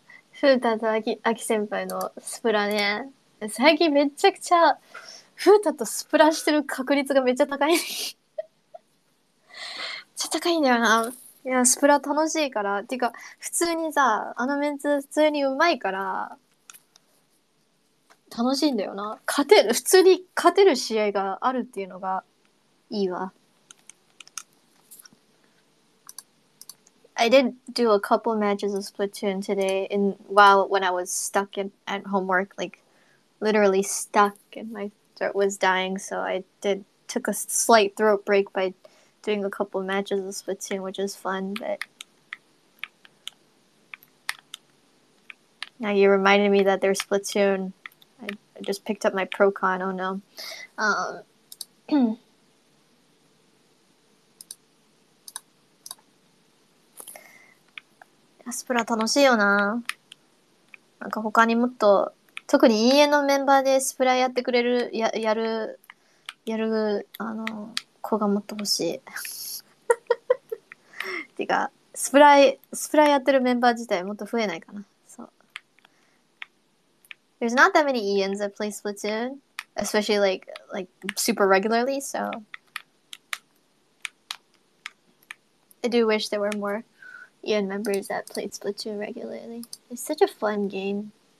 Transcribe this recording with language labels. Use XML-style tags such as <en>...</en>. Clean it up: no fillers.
<ja>フータとアキ先輩のスプラね。最近めちゃくちゃフータとスプラしてる確率がめっちゃ高い。めっちゃ高いんだよな。いや、スプラ楽しいから。てか、普通にさ、あのメンツ普通にうまいから、楽しいんだよな。勝てる、普通に勝てる試合があるっていうのがいいわ。</ja> <en>I did do a couple matches of Splatoon today in while when I was stuck in at homework, like literally stuck and my throat was dying, so I did took a slight throat break by doing a couple matches of Splatoon, which is fun, but now you reminded me that there's Splatoon. I just picked up my Pro Con, oh no.</en> <ja>スプラ楽しいよな。なんか他にもっと、特に EA のメンバーでスプラやってくれる、やる、あの、子がもっと欲しい。てか、スプラやってるメンバー自体もっと増えないかな。そう。</ja> <en>There's not that many EAs that play Splatoon, especially like super regularly, so. I do wish there were more. Ian members that played Splatoon regularly. It's such a fun game.</en>